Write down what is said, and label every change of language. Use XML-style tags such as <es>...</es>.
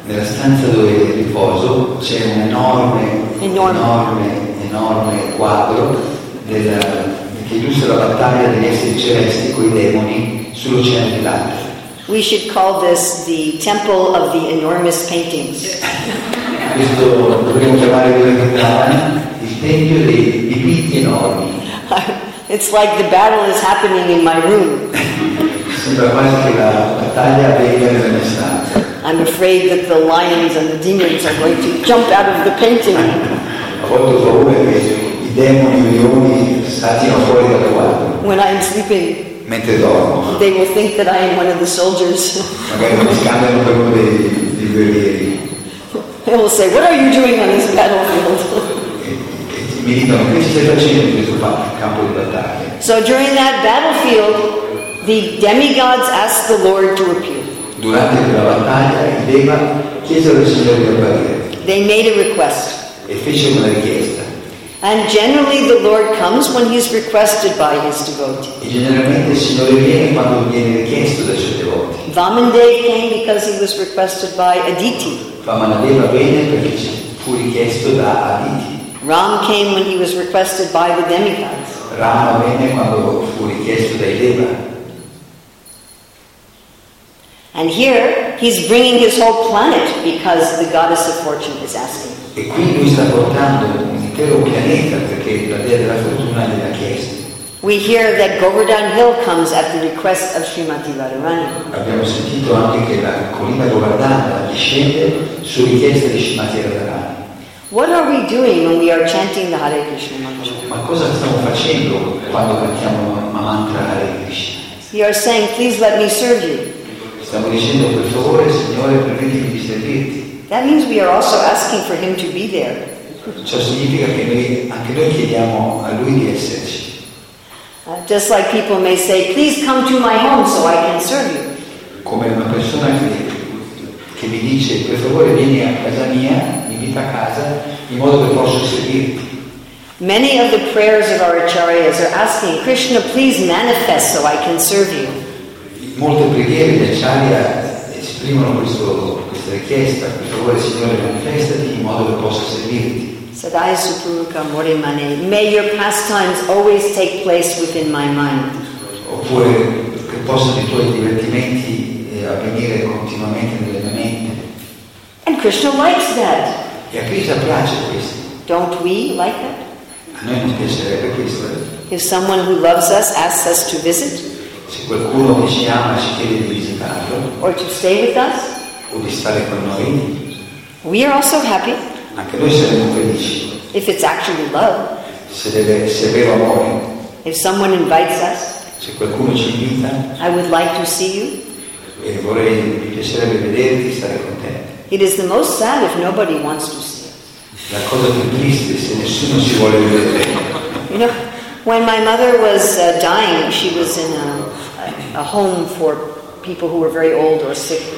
<it>Nella stanza dove riposo c'è un enorme quadro che illustra la battaglia degli esseri celesti con i demoni sull'oceano di latte.</it> <en>We should call this the temple of the enormous paintings.</en> <it>Questo dovremmo chiamare quello che è il tempio dei dipinti enormi.</it> <en>It's like the battle is happening in my room.</en> <it>Sembra quasi che la battaglia avvenga nella mia stanza.</it> <en>I'm afraid that the lions and the demons are going to jump out of the painting.</en> <it>Ho molto paura che i demoni e i leoni saltino fuori dal quadro.</it> <en>When I'm sleeping.</en> <it>Mentre dormo.</it> <en>They will think that I am one of the soldiers.</en> <it>Magari mi scambiano per uno dei guerrieri.</it> <en>They will say, "What are you doing on this battlefield?"</en> <it>Mi dicono, che stai facendo in questo campo di battaglia?</it> <en>So during that battlefield, the demigods asked the Lord to appear.</en> <it>Durante la battaglia, i Deva chiesero al Signore di apparire.</it> <en>They made a request.</en> <it>E fece una richiesta.</it> <en>And generally the Lord comes when he's requested by his devotee.</en> <it>E generalmente il Signore viene quando viene richiesto dai suoi devoti.</it> <en>Vamandeva came because he was requested by Aditi.</en> <it>Vamandeva venne perché fu richiesto da Aditi.</it> <en>Ram came when he was requested by the demigods.</en> <it>Rama venne quando fu richiesto dai Deva.</it> <en>And here he's bringing his whole planet because the goddess of fortune is asking.</en> <it>E qui lui sta portando intero pianeta perché la dea della fortuna gliel'ha chiesto.</it> <en>We hear that Govardhan Hill comes at the request of Srimati Radharani.</en> <it>Abbiamo sentito anche che la collina Govardhana discende su richiesta di Srimati Radharani.</it> <en>What are we doing when we are chanting the Hare Krishna mantra?</en> <it>Ma cosa stiamo facendo quando cantiamo il mantra Hare Krishna?</it> <en>We are saying, please let me serve you.</en> <it>Stiamo dicendo, per favore, Signore, permettimi di servirti.</it> <en>That means we are also asking for him to be there.</en> <it>Ciò significa che noi, anche noi chiediamo a lui di esserci.</it> <en>Just like people may say, please come to my home so I can serve you.</en> <it>Come una persona che mi dice, per favore vieni a casa mia, mi invita a casa, in modo che posso servirti.</it> <en>Many of the prayers of our acharyas are asking, Krishna, please manifest so I can serve you.</en> <it>Molte preghiere di acharya esprimono questa richiesta, per favore Signore manifestati in modo che possa servirti.</it> <bn>Sadai supruka more mane,</bn> <en>may your pastimes always take place within my mind.</en> <it>Oppure che possano i tuoi divertimenti avvenire continuamente nella mente.</it> <en>And Krishna likes that.</en> <it>E a Krishna piace questo.</it> <en>Don't we like that?</en> <it>A noi non piacerebbe questo.</it> <en>If someone who loves us asks us to visit,</en> <it>se qualcuno che ci ama ci chiede di visitarlo,</it> <en>or to stay with us,</en> <it>o di stare con noi,</it> <en>we are also happy.</en> <it>Anche noi saremmo felici.</it> <en>If it's actually love,</en> <it>se è vero amore,</it> <en>if someone invites us,</en> <it>se qualcuno ci invita,</it> <en>I would like to see you,</en> <it>e vorrei, mi piacerebbe vederti, stare con te.</it> <en>It is the most sad if nobody wants to see us.</en> <it>La cosa più triste se nessuno ci vuole vedere.</it> <en>You know, when my mother was dying, she was in a home for people who were very old or sick.</en>